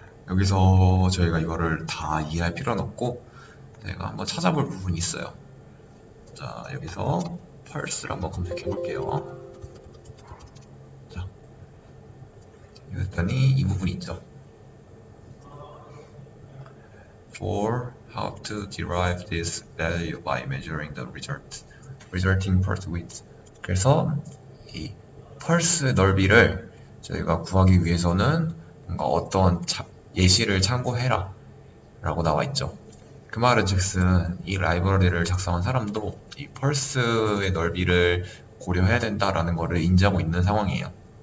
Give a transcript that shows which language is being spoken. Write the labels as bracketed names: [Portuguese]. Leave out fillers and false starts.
[Korean] 여기서 저희가 이거를 다 이해할 필요는 없고, 제가 한번 찾아볼 부분이 있어요. 자, 여기서 펄스를 한번 검색해볼게요. 그랬더니 이 부분이 있죠. [English] For how to derive this value by measuring the resulting pulse width. [Korean] 그래서 이 펄스 넓이를 저희가 구하기 위해서는 뭔가 어떤 예시를 참고해라 라고 나와 있죠. 그 말은 즉슨 이 라이브러리를 작성한 사람도 이 펄스의 넓이를 고려해야 된다라는 거를 인지하고 있는 상황이에요.